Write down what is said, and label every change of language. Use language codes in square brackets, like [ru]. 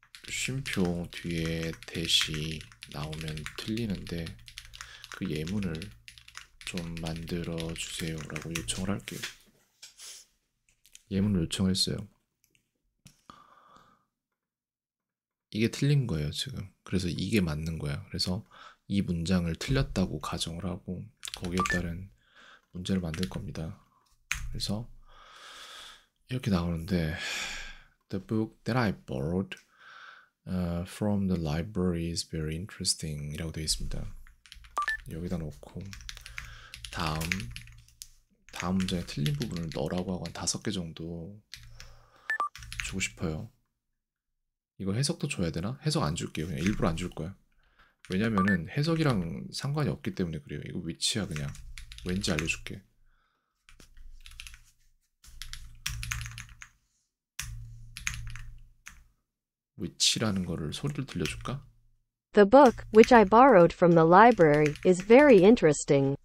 [ko] 쉼표 뒤에 대시 나오면 틀리는데 그 예문을 좀 만들어 주세요라고 요청을 할게요. 예문을 요청했어요. 이게 틀린 거예요, 지금. 그래서 이게 맞는 거야. 그래서 이 문장을 틀렸다고 가정을 하고 거기에 따른 문제를 만들 겁니다. [en] 그래서 이렇게 나오는데 The book that I borrowed from the library is very interesting 이라고 되어 있습니다. [ko] 여기다 놓고 다음 문장에 틀린 부분을 너라고 하고 한 다섯 개 정도 주고 싶어요. 이거 해석도 줘야 되나? 해석 안 줄게요. 그냥 일부러 안줄 거야. 왜냐면은 해석이랑 상관이 없기 때문에 그래요. 이거 위치야 그냥. 왠지 알려줄게. 위치라는 거를 소리를 들려줄까? [en] The book which I borrowed from the library is very interesting.